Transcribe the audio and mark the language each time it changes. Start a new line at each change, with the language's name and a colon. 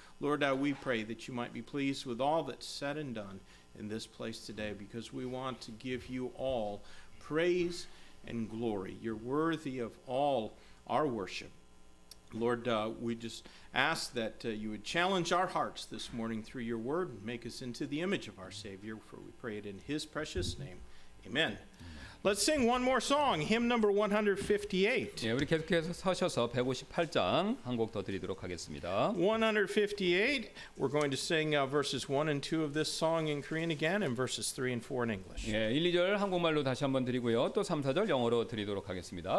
English: Lord, we pray that you might be pleased with all that's said and done in this place today, because we want to give you all praise and glory. You're worthy of all our worship. Lord, we just ask that you would challenge our hearts this morning through your word and make us into the image of our Savior, for we pray it in his precious name. Amen. Let's sing one more song, hymn number 158.
Korean: 예, 우리 계속해서 서셔서 158장 한 곡 더 드리도록 하겠습니다.
English: 158, we're going to sing verses 1 and 2 of this song in Korean again and verses 3 and 4 in English.
Korean: 예, 1, 2절 한국말로 다시 한번 드리고요. 또 3, 4절 영어로 드리도록 하겠습니다.